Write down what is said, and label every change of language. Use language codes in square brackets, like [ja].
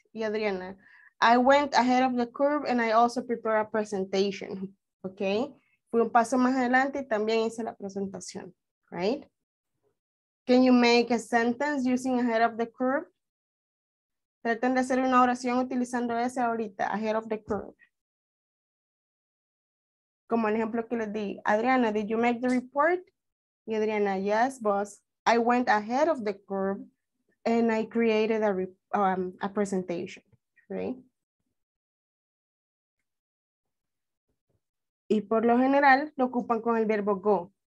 [en] Y Adriana, I went ahead of the curve and I also prepared a presentation. Ok. [es] Fui un paso más adelante y también hice la presentación. [en] Right? Can you make a sentence using ahead of the curve? [es] Traten de hacer una oración utilizando ese ahorita, [en] ahead of the curve. [es] Como el ejemplo que les di, [en] Adriana, did you make the report? Y Adriana, yes, boss. I went ahead of the curve and I created a presentation, right? [es] Y por lo general, lo ocupan con el verbo go.